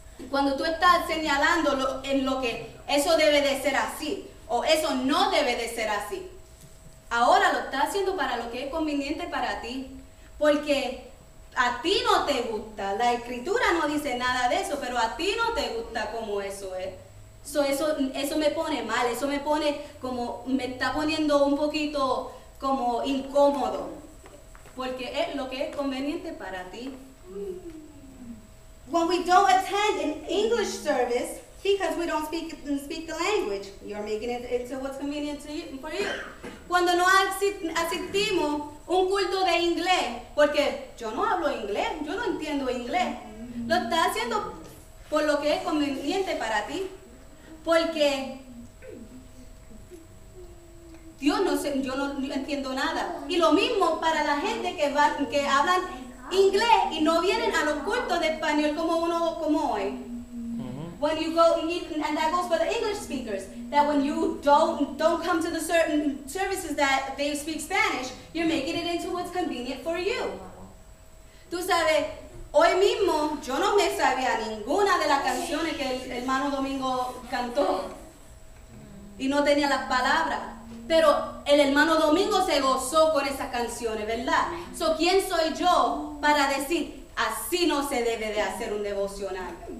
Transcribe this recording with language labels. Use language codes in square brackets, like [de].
[es] Cuando tú estás señalando en lo que eso debe de ser así o eso no debe de ser así, ahora lo estás haciendo para lo que es conveniente para ti, porque a ti no te gusta. La escritura no dice nada de eso, pero a ti no te gusta como eso es. Eso me pone mal, eso me pone como, me está poniendo un poquito como incómodo, porque es lo que es conveniente para ti. [en] When we don't attend an English service because we don't speak the language, you're making it into what's convenient to you, for you. [es] Cuando no asistimos un culto de inglés, porque yo no hablo inglés, yo no entiendo inglés, lo estás haciendo por lo que es conveniente para ti. Porque Dios no sé, yo no entiendo nada. Y lo mismo para la gente que hablan inglés y no vienen a los cultos de español como hoy. Mm-hmm. [en] When you go, and that goes for the English speakers, that when you don't come to the certain services that they speak Spanish, you're making it into what's convenient for you. [es] Tú sabes, hoy mismo yo no me sabía ninguna de las canciones que el hermano Domingo cantó y no tenía las palabras. Pero el hermano Domingo se gozó con esas canciones, ¿verdad? So, ¿quién soy yo para decir, así no se debe de hacer un devocional?